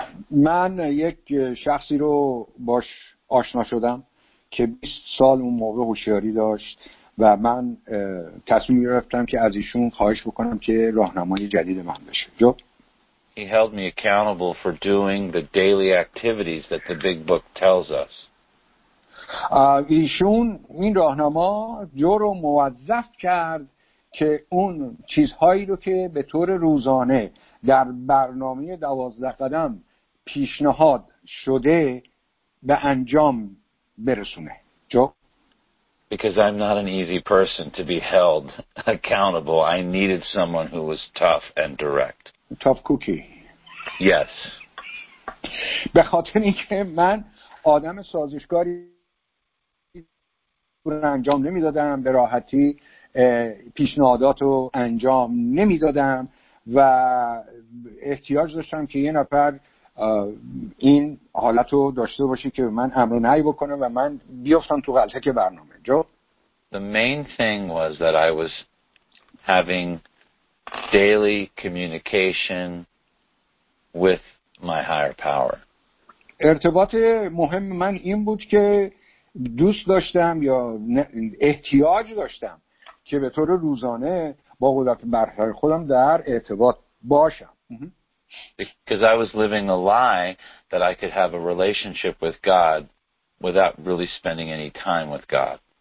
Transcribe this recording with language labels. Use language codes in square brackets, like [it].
[fa] من یک شخصی رو باش آشنا شدم که 20 سال اون موقع هوشیاری داشت و من تصمیم گرفتم که از ایشون خواهش بکنم که راهنمای جدید من بشه. جو. [en] He held me accountable for doing the daily activities that the big book tells us. [fa] ایشون این راهنما جو رو موظف کرد که اون چیزهایی رو که به طور روزانه در برنامه 12 قدم پیشنهاد شده به انجام برسونه. جو. [en] Because I'm not an easy person to be held accountable. I needed someone who was tough and direct. Tough cookie. Yes. [fa] به خاطر اینکه من آدم سازشکاری بودم انجام نمیدادم، به راحتی پیشنهادات رو انجام نمیدادم و احتیاج داشتم که یه نفر این حالت رو داشته باشه که من امر و نهی بکنه و من بیافتم تو غلطک برنامه. جو. [en] The main thing was that I was having daily communication with my higher power. [fa] ارتباط مهم من این بود که دوست داشتم یا احتیاج داشتم که به طور روزانه با قدرت برتر خودم در ارتباط باشم. [en] Because I was living a lie that I could have a relationship with God without really spending any time with God.